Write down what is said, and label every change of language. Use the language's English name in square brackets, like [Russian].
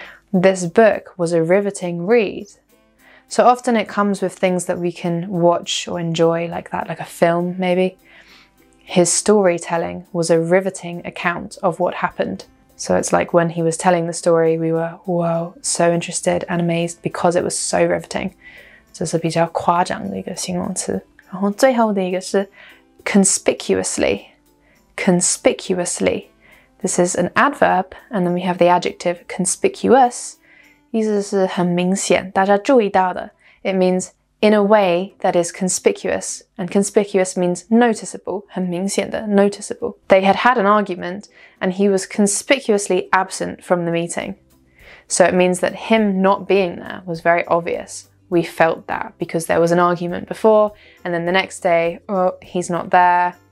[English] This book was a riveting read. So often it comes with things that we can watch or enjoy like that, like a film maybe. His storytelling was a riveting account of what happened. So it's like when he was telling the story, we were, whoa, so interested and amazed because it was so riveting. [Chinese] 这是比较夸张的一个形容词。然后最后的一个是 conspicuously. Conspicuously. [English] This is an adverb, and then we have the adjective conspicuous. [Chinese] 意思是很明显，大家注意到的。 [English] It means in a way that is conspicuous, and conspicuous means noticeable, [Chinese] 很明显的 [English] noticeable. They had had an argument, and he was conspicuously absent from the meeting. So it means that him not being there was very obvious. We felt that because there was an argument before, and then the next day, oh, he's not there.